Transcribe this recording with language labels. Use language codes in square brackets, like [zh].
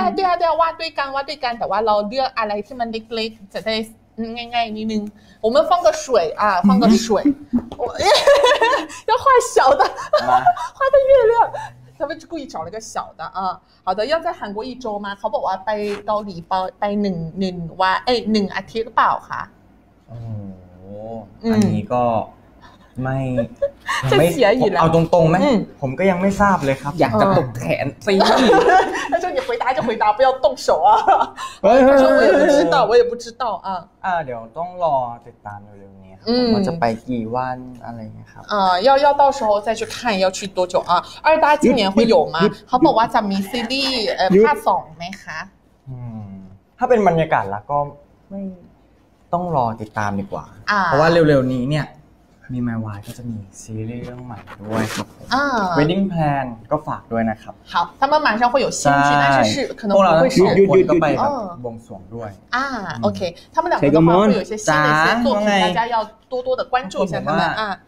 [th] ช่ใช่ใช่วาดด้วยกันวาดด้วยกันแต่ว่าเราเลือกอะไรที่มันเล็กๆจะได้ง่ายๆนิดนึง [zh] 我们放个水啊放个水要画小的画的月亮他们就故意找了一个小的啊好的要在韩国一周吗 [th] เขาบอกว่าไปเกาหลีไป1วันเอ้ย1อาทิตย์หรือเปล่าคะ อ๋ออันนี้ก็ไม่ไม่เสียอยู่แล้ว เอาตรงๆมั้ยผมก็ยังไม่ทราบเลยครับ อยากจะตบแขนซิ แล้วช่วงนี้ [zh] 回答就回答不要动手啊我也不知道我也不知道啊 [th] เดี๋ยวต้องรอติดตามเร็วๆนี้ครับว่าจะไปกี่วันอะไรเงี้ยครับ [zh] 要到时候再去看要去多久啊二大今年会有吗 [th] เขาบอกว่าจะมีซีรีส์ภาค2มั้ยคะ ถ้าเป็นบรรยากาศแล้วก็ไม่ต้องรอติดตามดีกว่ า เพราะว่าเร็วๆนี้เนี่ยมีไมวายก็จะมีซีรีส์เรื่องใหม่ด้วยครับเวดดิ้งแพลนก็ฝากด้วยนะครับ ครับถ้ามา [zh] 马上会有兴趣那就是可能会有 [th] คนก็ไปแบบวงสวงด้วย โอเคถ้ามันแบบเขาจะมีเซียนตัวนี้ [zh] 大家要多多的关注一下他们啊